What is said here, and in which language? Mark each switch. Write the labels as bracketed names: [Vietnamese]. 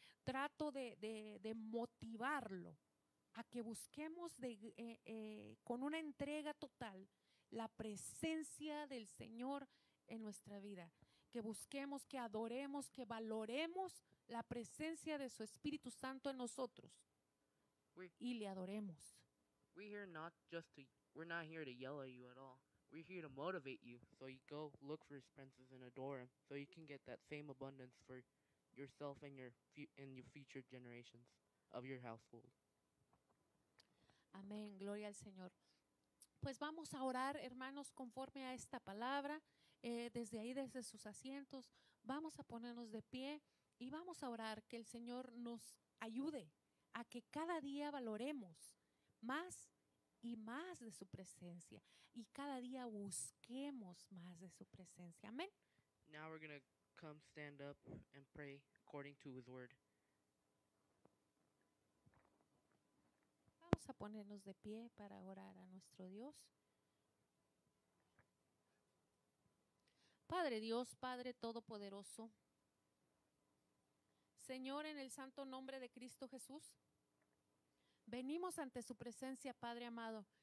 [Spanish] trato de motivarlo a que busquemos con una entrega total la presencia del Señor en nuestra vida. Que busquemos, que adoremos, que valoremos la presencia de su Espíritu Santo en nosotros. Y le adoremos. [English] We're here not just to, we're not here to yell at you at all. We're here to motivate you so you go look for his presence and adore him so you can get that same abundance for yourself and your future generations of your household. [Spanish] Amén. Gloria al Señor. Pues vamos a orar, hermanos, conforme a esta palabra. Desde ahí, desde sus asientos, vamos a ponernos de pie y vamos a orar que el Señor nos ayude a que cada día valoremos más y más de su presencia y cada día busquemos más de su presencia. Amén. [English] Now we're going to come stand up and pray according to his word. [Spanish] A ponernos de pie para orar a nuestro Dios. Padre Dios, Padre Todopoderoso, Señor, en el santo nombre de Cristo Jesús, venimos ante su presencia, Padre amado.